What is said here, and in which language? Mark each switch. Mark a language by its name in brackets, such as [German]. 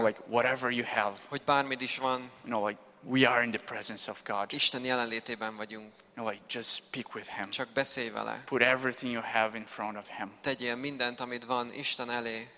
[English] No, like whatever you have. [Hungarian] Hogy bármid is van. [English] You know, like we are in the presence of God. [Hungarian] Isten jelenlétében vagyunk. [English] No, like just speak with Him. [Hungarian] Csak beszélj vele. [English] Put everything you have in front of Him. [Hungarian] Tegyél mindent, amit van, Isten elé.